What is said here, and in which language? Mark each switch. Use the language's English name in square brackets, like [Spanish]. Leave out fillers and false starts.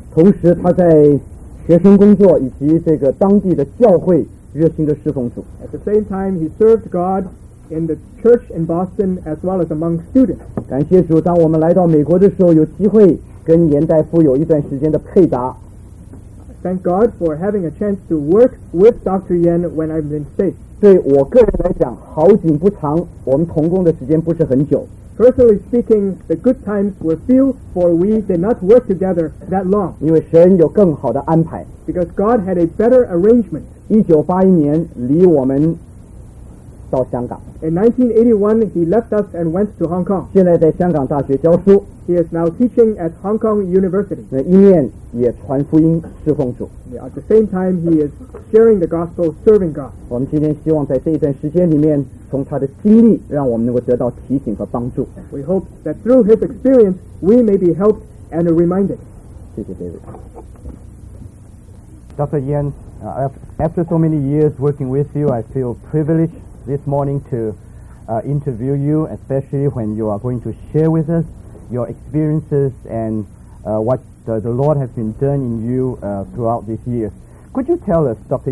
[Chinese] 同时他在学生工作以及这个当地的教会热心的侍奉主。 [English] At the same time, he served God in the church in Boston as well as among students. [Chinese] 感谢主，当我们来到美国的时候，有机会跟严大夫有一段时间的配搭。 [English] Thank God for having a chance to work with Dr. Yan when I'm in state. [Chinese] 对我个人来讲，好景不长，我们同工的时间不是很久。 [English] Personally speaking, the good times were few, for we did not work together that long. [Chinese] 因为神有更好的安排。 [English] Because God had a better arrangement. [Chinese] 1981年离我们到香港。 [English] In 1981, he left us and went to Hong Kong. [Chinese] 现在在香港大学教书。 [English] He is now teaching at Hong Kong University. [Chinese] 那一面也传福音侍奉主。 [English] At the same time, he is sharing the gospel, serving God. [Chinese] 我们今天希望在这一段时间里面，从他的经历，让我们能够得到提醒和帮助。 [English] We hope that through his experience, we may be helped and reminded. [Chinese] 谢谢 David. [English] Dr. Yan, after so many years working with you, I feel privileged this morning to interview you, especially when you are going to share with us your experiences and what the Lord has been doing in you throughout these years. Could you tell us, Dr.